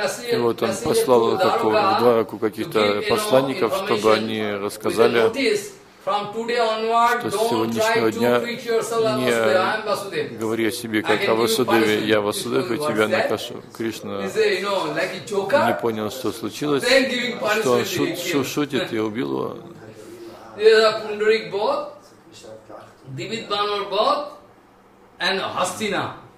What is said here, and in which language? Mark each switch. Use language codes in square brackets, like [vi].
[ru] И вот он послал в Двараку каких-то посланников, чтобы они рассказали. [en] From today onward, don't try to preach yourself as Vasudev. [ru] Не говори о себе как о Васудеве, я Васудев, и тебя накажу. Кришна не понял, что случилось, что он шутит и убил его. Это Пундарик Бод, Дивид Банор Бод, and Хастина.